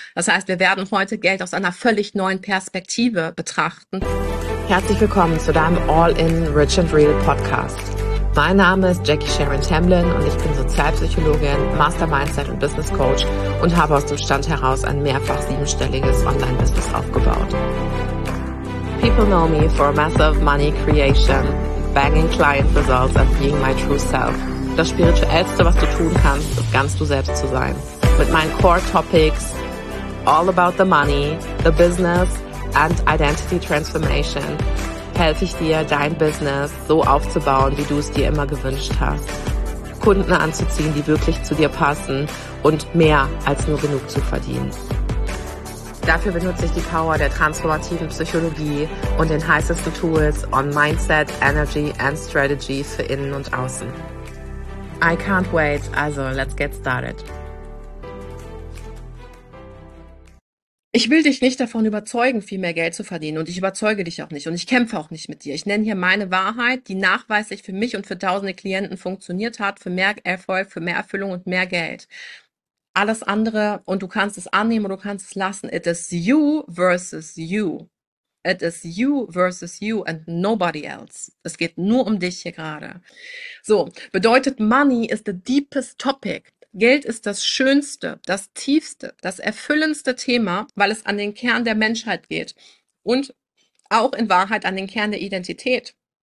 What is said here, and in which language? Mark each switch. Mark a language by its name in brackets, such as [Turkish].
[German] Das heißt, wir werden heute Geld aus einer völlig neuen Perspektive betrachten. Herzlich willkommen zu deinem All-in Rich and Real Podcast. Mein Name ist Jackie Sharon Tamblyn und ich bin Sozialpsychologin, Master Mindset und Business Coach und habe aus dem Stand heraus ein mehrfach siebenstelliges Online-Business aufgebaut. [English] People know me for massive money creation, banging client results and being my true self. [German] Das Spirituellste, was du tun kannst, ist ganz du selbst zu sein. Mit meinen Core Topics, [English] all about the money, the business, and Identity Transformation [German] helfe ich dir, dein Business so aufzubauen, wie du es dir immer gewünscht hast. Kunden anzuziehen, die wirklich zu dir passen und mehr als nur genug zu verdienen. Dafür benutze ich die Power der transformativen Psychologie und den heißesten Tools [English] on Mindset, Energy and Strategy [German] für Innen und Außen. [English] I can't wait, also let's get started. [German] Ich will dich nicht davon überzeugen, viel mehr Geld zu verdienen. Und ich überzeuge dich auch nicht. Und ich kämpfe auch nicht mit dir. Ich nenne hier meine Wahrheit, die nachweislich für mich und für tausende Klienten funktioniert hat, für mehr Erfolg, für mehr Erfüllung und mehr Geld. Alles andere, und du kannst es annehmen oder du kannst es lassen. [English] It is you versus you. It is you versus you and nobody else. [German] Es geht nur um dich hier gerade. So, bedeutet [English] Money is the deepest topic. [German] Geld ist das schönste, das tiefste, das erfüllendste Thema, weil es an den Kern der Menschheit geht und auch in Wahrheit an den Kern der Identität.